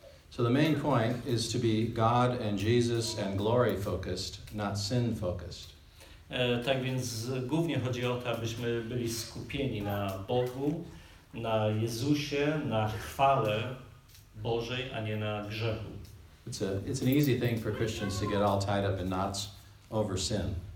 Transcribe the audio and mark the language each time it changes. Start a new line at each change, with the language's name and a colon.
English: So the main point is to be God and Jesus and glory focused, not sin focused.
Polish: Tak więc głównie chodzi o to, abyśmy byli skupieni na Bogu, na Jezusie, na chwale Bożej, a nie na grzechu.
English: It's an easy thing for Christians to get all tied up in knots over sin.